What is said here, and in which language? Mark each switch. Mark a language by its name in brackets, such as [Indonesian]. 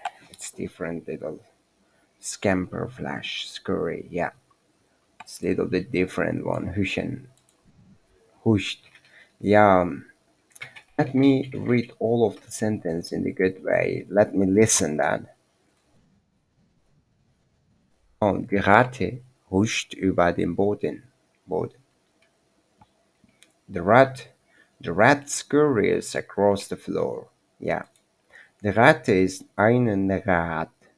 [English] It's different little. Scamper, flash, scurry, yeah. It's a little bit different one. Huschen. Huscht. Yeah. Let me read all of the sentence in a good way. Let me listen then. [German] Oh, die Ratte huscht über den Boden. Boden. [English] The rat scurries across the floor. Yeah. [German] Die Ratte ist eine Nagerrat.